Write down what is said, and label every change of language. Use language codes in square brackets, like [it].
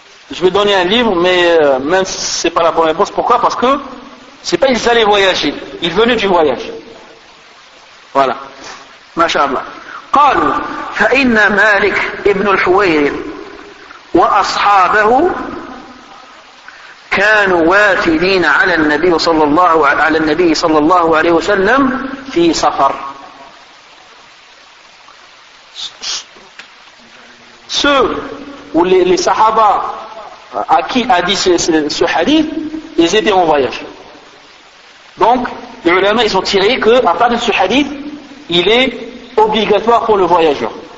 [fr] Je vais donner un livre, mais même si ce n'est pas la bonne réponse, pourquoi? Parce que c'est pas ils allaient voyager, ils venaient du voyage. Voilà. Masha'Allah. [ar] قالوا فإن مالك ابن الحويرث وأصحابه كانوا وافدين على النبي صلى الله عليه وسلم في سفر. [fr] Ceux ou les Sahaba à qui a dit ce hadith, ils étaient en voyage. Donc, les ulama, ils ont tiré que, à partir de ce hadith, il est obligatoire pour le voyageur.